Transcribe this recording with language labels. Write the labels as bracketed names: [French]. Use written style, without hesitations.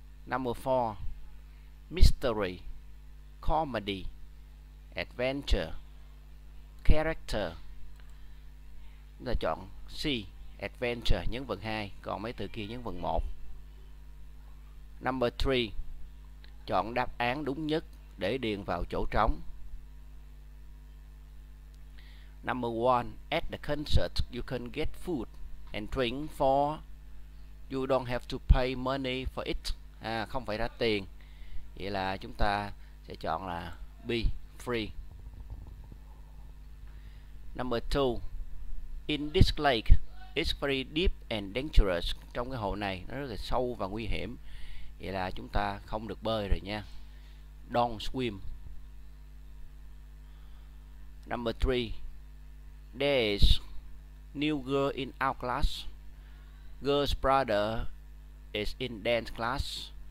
[English] Number 4, mystery, comedy, adventure, character. [Vietnamese] Chúng ta chọn C, adventure, nhấn vần 2, còn mấy từ kia nhấn vần 1. [English] Number 3, [Vietnamese] chọn đáp án đúng nhất để điền vào chỗ trống. [English] Number 1, at the concert you can get food and drink for, you don't have to pay money for it. [Vietnamese] Không phải trả tiền. Vậy là chúng ta sẽ chọn là B, free. [English] Number 2. In this lake, it's very deep and dangerous. [Vietnamese] Trong cái hồ này nó rất là sâu và nguy hiểm. Vậy là chúng ta không được bơi rồi nha. [English] Don't swim. Number 3. There is new girl in our class. Girl's brother is in dance class.